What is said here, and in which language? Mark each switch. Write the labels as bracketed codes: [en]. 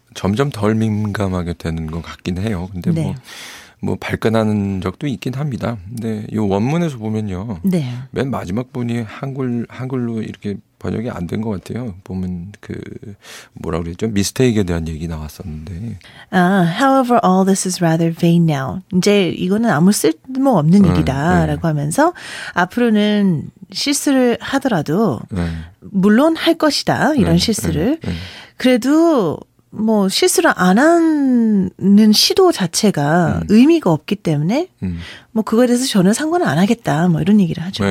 [ko] 점점 덜 민감하게 되는 것 같긴 해요. 근데 뭐 발끈하는 적도 있긴 합니다. 근데 이 원문에서 보면요. 네. 맨 마지막 부분이 한글로 이렇게 번역이 안 된 것 같아요. 보면 그 뭐라 그랬죠? 미스테이크에 대한 얘기 나왔었는데. [en] 아, however, all this is rather vain now. [ko] 이제 이거는 아무 쓸모 없는 일이다라고 하면서 앞으로는 실수를 하더라도 물론 할 것이다 이런 실수를 그래도 뭐 실수를 안 하는 시도 자체가 의미가 없기 때문에 뭐 그거에 대해서 저는 상관은 안 하겠다 뭐 이런 얘기를 하죠.